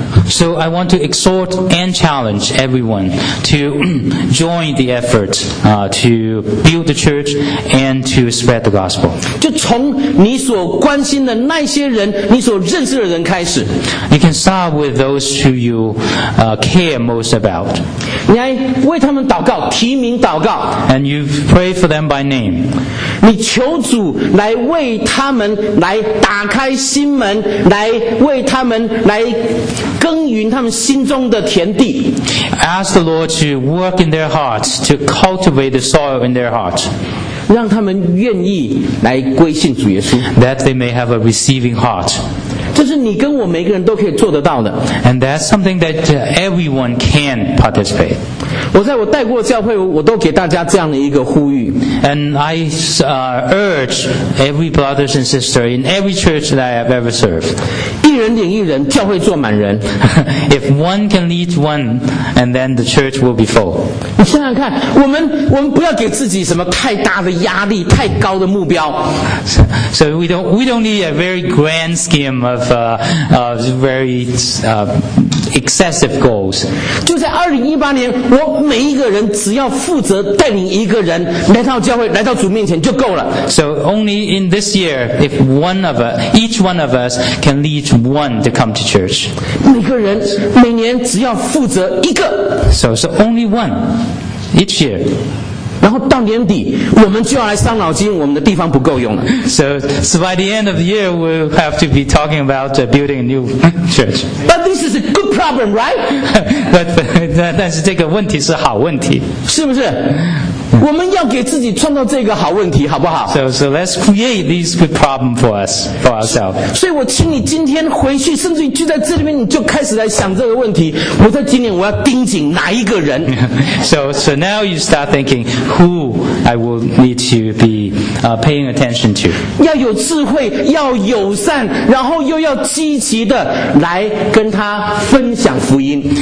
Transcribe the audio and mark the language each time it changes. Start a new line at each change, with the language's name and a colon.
English: So I want to exhort and challenge everyone to join the effort to build the church and to spread the gospel.
Chinese: 就从你所关心的那些人、你所认识的人开始。
English: You can start with those who you care most about.
Chinese: 你还为他们祷告、提名祷告。
English: And you pray for them by name.
Chinese: 你求主来为他们来打开心门，来为他们来耕耘他们心中的田地。
English: Ask the Lord to work in their hearts, to cultivate the soil in their hearts.
Chinese: 让他们愿意来归信主耶稣。
English: That they may have a receiving heart.
Chinese: 这是你跟我每个人都可以做得到的。
English: And that's something that everyone can participate.
Chinese: 我在我带过的教会，我都给大家这样的一个呼吁。
English: And I urge every brothers and sister in every church that I have ever served.
Chinese: 一人领一人，教会坐满人。
English: If one can lead one, and then the church will be full.
Chinese: 你想想看，我们不要给自己什么太大的压力、太高的目标。
English: So we don't need a very grand scheme of very excessive goals.
Chinese: 就在2018年，我每一个人只要负责带领一个人来到教会、来到主面前就够了。
English: So only in this year, if one of us, each one of us can lead one to come to church.
Chinese: 每个人每年只要负责一个。
English: So only one each year.
Chinese: 然后到年底我们就要来伤脑筋我们的地方不够用了
English: so by the end of the year we'll have to be talking about building a new church but this is a good problem right
Chinese: but 但是这个问题是好问题是不是我们要给自己创造这个好问题好不好
English: so let's create this good problem for us for ourselves
Chinese: 所以我请你今天回去甚至于就在这里面你就开始来想这个问题我在今年我要盯紧哪一个人
English: so now you start thinkingWho I will need to be paying attention to.
Chinese: 要有智慧，要友善，然后又要积极的来跟他分享福音。